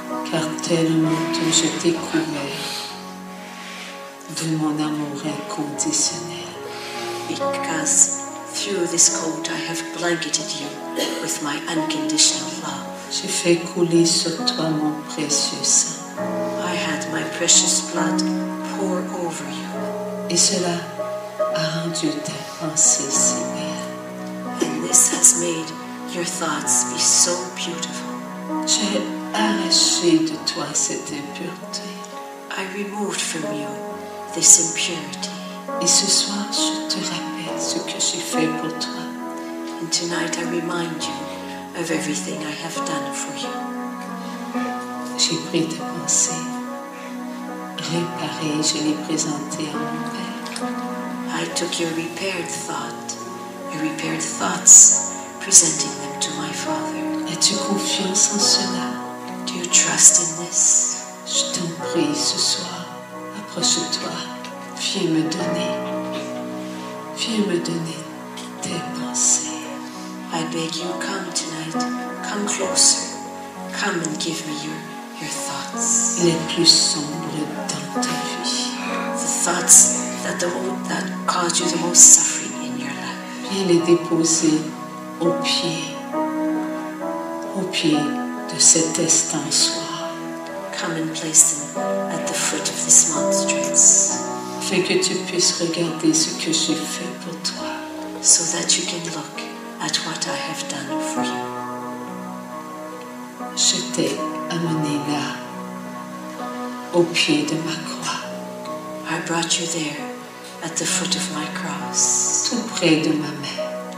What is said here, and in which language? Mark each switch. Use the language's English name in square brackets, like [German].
[French] Car tellement je t'ai couvert de mon amour inconditionnel. [English] Because through this coat I have blanketed you with my unconditional love. [French] J'ai fait couler sur toi mon précieux sang. [English] I had my precious blood pour over you. [French] Et cela a rendu ta pensée si belle. [English] And this has made your thoughts be so beautiful. [French] J'ai arraché de toi cette impureté. [English] I removed from you this impurity. [French] Et ce soir, je te rappelle ce que j'ai fait pour toi. [English] And tonight I remind you of everything I have done for you. [French] J'ai pris tes pensées, réparées, je les présentais à mon père. [English] I took your repaired thought, your repaired thoughts, presenting them to my father. [French] As-tu confiance en cela? [English] Do you trust in this? [French] Je t'en prie ce soir, approche-toi, viens me donner tes pensées. [English] I beg you, come tonight, come closer, come and give me your thoughts. [French] Les plus sombres dans ta vie. [English] The thoughts that cause you the most suffering in your life. [French] Viens les déposer au pied de cet estensoir. [English] Come and place them at the foot of this monstrance. [French] Fais que tu puisses regarder ce que j'ai fait pour toi. [English] So that you can look at what I have done for you. [French] Je t'ai amené là au pied de ma croix. [English] I brought you there, at the foot of my cross. [French] Tout près de ma mère.